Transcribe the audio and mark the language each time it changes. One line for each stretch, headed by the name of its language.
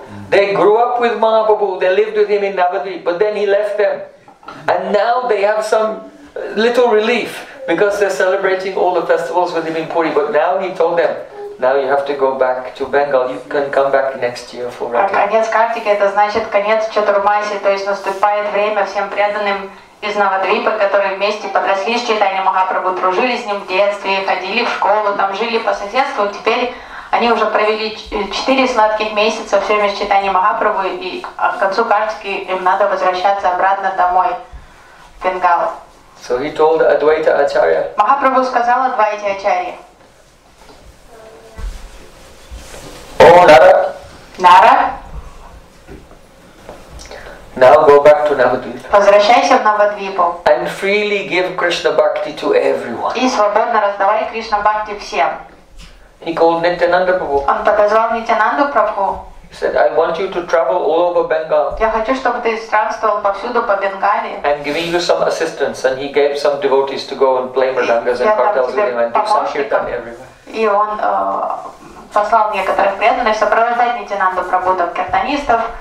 English: They grew up with Mahaprabhu, they lived with him in Navadvip, but then he left them. And now they have some little relief because they're celebrating all the festivals with him in Puri. But now he told them, now you have to go back to Bengal. You can come back next year for Radha.
Russian: Конец Картики, это значит конец Чатурмаси, то есть наступает время всем преданным из Навадвипа, которые вместе подросли с Чайтанья Махапрабху, дружили с ним в детстве, ходили в школу, там жили по соседству. Теперь они уже провели 4 сладких месяца все время с Чайтанья Махапрабху, и к концу Картики им надо возвращаться обратно домой, в Бенгал.
English: So he told Advaita Acharya.
Russian: Махапрабху сказал Адвайте Ачарье. О, Нара! Нара!
English: Now go back to Navadvipa.
Russian: Возвращайся в Навадвипу.
English: And freely give Krishna Bhakti to everyone.
Russian: И свободно раздавай Кришна Бхакти всем.
English: He called Nityananda Prabhu.
Russian: Он так звал Нитянанду Прабху.
English: He said, I want you to travel all over Bengal.
Russian: Я хочу, чтобы ты странствовал повсюду по Бенгалии.
English: And giving you some assistance, and he gave some devotees to go and play mridangas and cartels with him and do sankirtan everywhere.
Russian: И он послал некоторых преданных сопровождать Нитянанду Прабху до киртанистов.